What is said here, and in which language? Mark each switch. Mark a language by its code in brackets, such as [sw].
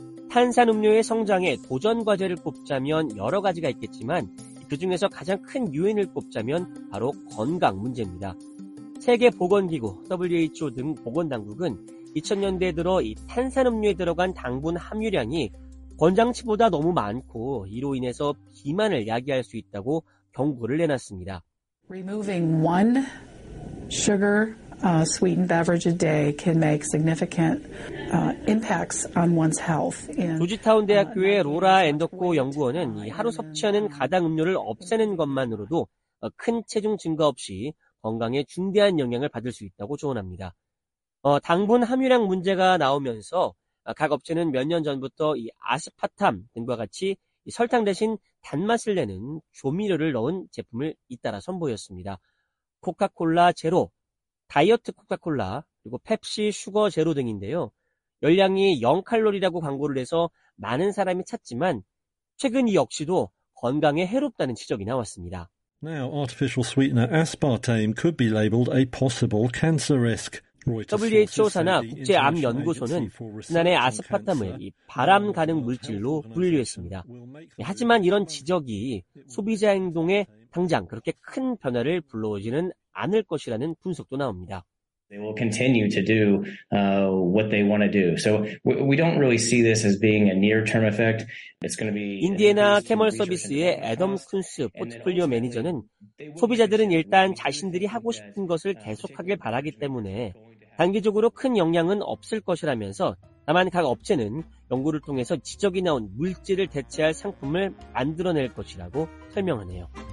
[ko] 탄산음료의 성장에 도전 과제를 꼽자면 여러 가지가 있겠지만 그 중에서 가장 큰 요인을 꼽자면 바로 건강 문제입니다. 세계보건기구 WHO 등 보건당국은 2000년대에 들어 이 탄산음료에 들어간 당분 함유량이 권장치보다 너무 많고 이로 인해서 비만을 야기할 수 있다고 경고를 내놨습니다. [en] Removing one sugar sweetened beverage a day can make significant impacts on one's health. [ko] 조지타운 대학교의 로라 앤더코 연구원은 이 하루 섭취하는 가당 음료를 없애는 것만으로도 큰 체중 증가 없이 건강에 중대한 영향을 받을 수 있다고 조언합니다. 당분 함유량 문제가 나오면서 각 업체는 몇 년 전부터 이 아스파탐 등과 같이 이 설탕 대신 단맛을 내는 조미료를 넣은 제품을 잇따라 선보였습니다. 코카콜라 제로, 다이어트 코카콜라, 그리고 펩시 슈거 제로 등인데요. 열량이 0칼로리라고 광고를 해서 많은 사람이 찾지만 최근 이 역시도 건강에 해롭다는 지적이 나왔습니다. [en] Now artificial sweetener aspartame could be labeled a possible cancer risk. [ko] WHO 산하 국제암연구소는 지난해 아스파탐을 이 발암 가능 물질로 분류했습니다. 하지만 이런 지적이 소비자 행동에 당장 그렇게 큰 변화를 불러오지는 않을 것이라는 분석도 나옵니다. [en] They will continue to do what they want to do. So we don't really see this as being a near-term effect. It's going to be [ko] 인디애나 캐멀 서비스의 애덤 쿤스 포트폴리오 매니저는 소비자들은 일단 자신들이 하고 싶은 것을 계속하길 바라기 때문에 단기적으로 큰 영향은 없을 것이라면서 다만 각 업체는 연구를 통해서 지적이 나온 물질을 대체할 상품을 만들어낼 것이라고 설명하네요.